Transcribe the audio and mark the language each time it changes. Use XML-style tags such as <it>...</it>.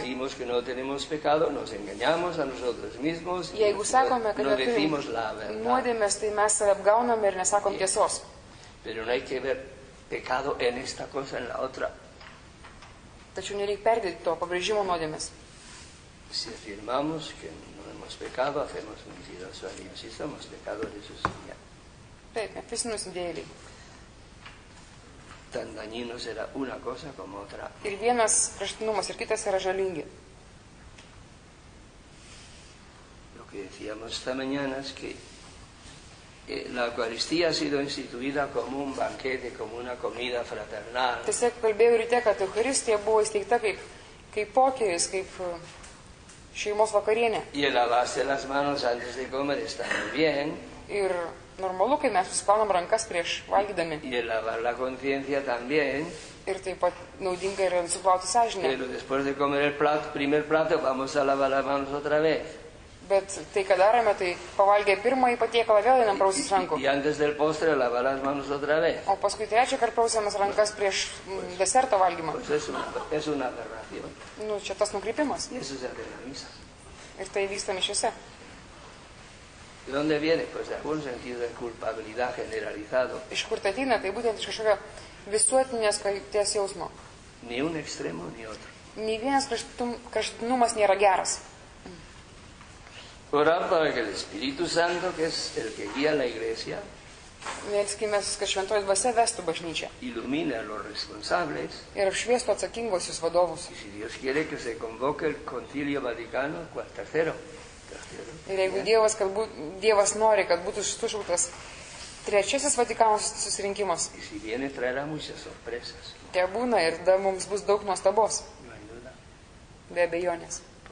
<es>Si decimos que no tenemos pecado, nos engañamos a nosotros mismos.</es> <lt>Jeigu sakome, kad neturime nuodėmės, tai mes save apgauname ir nesakom tiesos.</lt> <es>Pero no hay que ver pecado en esta cosa, en la otra.</es> <lt>Tačiau nereik perdėti to pabrėžimo nuodėmės.</lt> <es>Si afirmamos que no hemos pecado, hacemos mentiroso a Dios. Si somos pecadores, eso sería.</es> <lt>Taip, visi nusidėjėliai.</lt> <es>Tan dañinos era una cosa como otra.</es> <lt>Ir vienas kraštinumas, ir kitas yra žalingi.</lt> <es>Lo que decíamos esta mañana es que la Eucaristía ha sido instituida como un banquete, como una comida fraternal.</es> <lt>Tiesiog kalbėjau ryte, kad Eucharistija buvo įsteigta kaip pokėjus, kaip šeimos vakarienė.</lt> <es>Y el lavarse las manos antes de comer está muy bien.</es> <lt>Ir normalu, kai mes susiplaunam rankas prieš valgydami.</lt> <es>Y lavar la conciencia también.</es> <lt>Ir taip pat naudinga yra nusiplauti sąžinę.</lt> <es>Pero después de comer el plato, primer plato, vamos a lavar las manos otra vez.</es> <lt>Bet tai, ką darome, tai pavalgę pirmąjį patiekalą vėl einam prausis rankų.</lt> <es>Y antes del postre lavar las manos otra vez.</es> <lt>O paskui trečią kartą prausiamas rankas prieš deserto valgymą.</lt> <es>Pues es una aberración.</es> <lt>Nu, čia tas nukrypimas.</lt> <es>Y eso es de la misa.</es> <lt>Ir tai vyksta mišiose.</lt> <es>¿De dónde viene? Pues de algún sentido de culpabilidad generalizado.</es> <lt>Iš kur tai ateina, tai būtent iš kažkokio visuotinės kaltės jausmo.</lt> <es>Ni un extremo, ni otro.</es> <lt>Ni vienas kraštinumas nėra geras.</lt> <es>Orar para que el Espíritu Santo, que es el que guía la Iglesia,</es> <lt>melskimės, kad šventoji dvasia vestų bažnyčią.</lt> <es>Ilumina los responsables.</es> <lt>Ir apšviestų atsakingosius vadovus.</lt> <es>Y si Dios quiere que se convoque el Concilio Vaticano III.</es> <lt>Ir jeigu Dievas, kad Dievas nori, kad būtų sušauktas trečiasis Vatikano susirinkimas, te būna ir da mums bus daug nuostabos. Be abejonės.</lt>